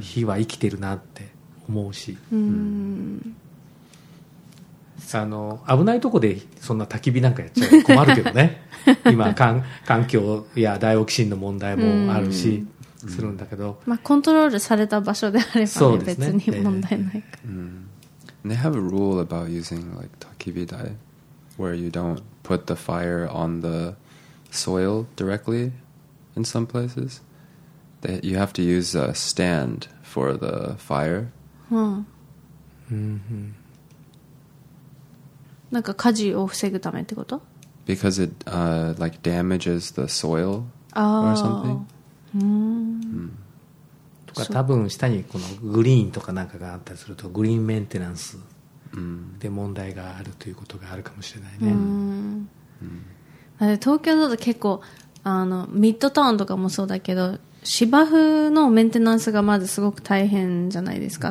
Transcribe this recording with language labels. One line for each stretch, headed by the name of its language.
Japanese: 火は生きてるなって思うし、あの危ないとこでそんな焚き火なんかやっちゃう困るけどね。今環境やダイオキシンの問題もあるしするんだけど、まあ、コントロールされた場所であれば、ね、別に問題ないか。
English: They have a rule about using like 焚き火台 where you don't put the fire on the soil directly. In some places, you have to use a stand for the fire.
Japanese: なんか火事を防ぐためってこと?
English: Because it like damages the soil or something.
Japanese: とか多分下にこのグリーンとかなんかがあったりするとグリーンメンテナンスで問題があるということがあるかもしれないね。東京だと結構あのミッドタウンとかもそうだけど芝生のメンテナンスがまずすごく大変じゃないですか。